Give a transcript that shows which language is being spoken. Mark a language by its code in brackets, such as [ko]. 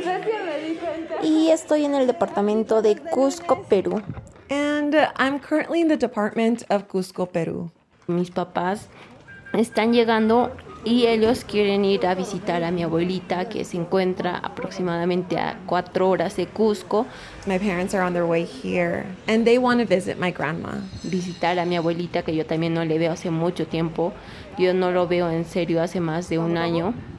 [es] Gracias, me di cuenta. Y estoy en el departamento de Cusco, Perú. [en] And I'm currently in the department of Cusco, Perú. [es] Mis papás están llegando y ellos quieren ir a visitar a mi abuelita, que se encuentra aproximadamente a 4 horas de Cusco. [en] My parents are on their way here, and they want to visit my grandma. [es] Visitar a mi abuelita, que yo también no le veo hace mucho tiempo. Yo no lo veo en serio hace más de un año.